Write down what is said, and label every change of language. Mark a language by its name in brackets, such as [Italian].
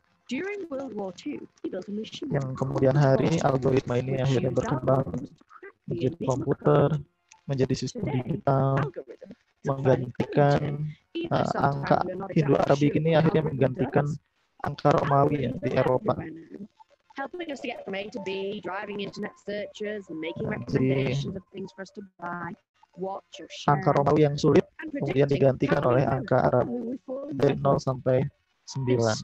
[English] During World War II, he built a machine. [Indonesian] Yang kemudian hari algoritma ini akhirnya berkembang menjadi komputer, menjadi sistem digital, menggantikan angka Hindu Arabi. Ini akhirnya menggantikan angka Romawi ya, di Eropa. [English] Helping us to get from A to B, driving internet searches, making recommendations of things for us to buy. [Indonesian] Angka Romawi yang sulit kemudian digantikan oleh angka Arab dari 0 sampai 9.